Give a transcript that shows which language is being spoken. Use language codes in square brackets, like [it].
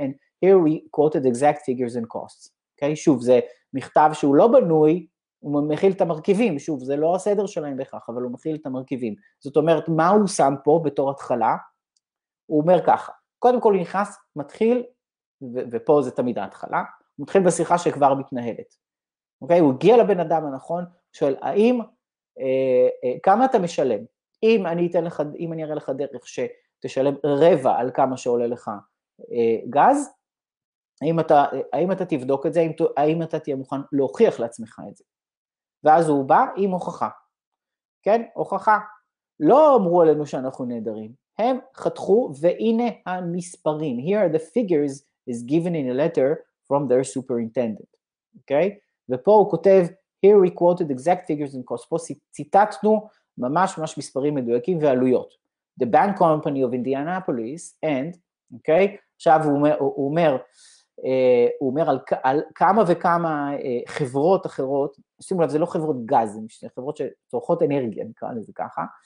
[en] And here we quoted exact figures and costs. Okay? [he] שוב, זה מכתב שהוא לא בנוי, הוא מכיל את המרכיבים. שוב, זה לא הסדר שלהם בכך, אבל הוא מכיל את המרכיבים. זאת אומרת, מה הוא שם פה בתור התחלה? הוא אומר ככה. קודם כל נכנס, מתחיל, ופה זה תמיד ההתחלה. הוא מתחיל בשיחה שכבר מתנהלת. Okay? הוא הגיע לבן אדם הנכון, שואל, האם, כמה אתה משלם? אם אני אתן לך, אם אני אראה לך דרך שתשלם רבע על כמה שעולה לך, גז, האם אתה תבדוק את זה, האם אתה תהיה מוכן להוכיח לעצמך את זה. ואז הוא בא עם הוכחה. כן, הוכחה. לא אמרו עלינו שאנחנו נהדרים. הם חתכו, והנה המספרים. [en] Here are the figures is given in a letter from their superintendent. Okay? [he] ופה הוא כותב, [en] here we quoted exact figures and costs. [he] פה ציטטנו ממש ממש מספרים מדויקים ועלויות. [en] The bank company of Indianapolis and אוקיי? [he] עכשיו הוא אומר על כמה וכמה חברות אחרות, שימו לב, זה לא חברות גז, זה חברות שצורכות אנרגיה, נקרא לזה ככה.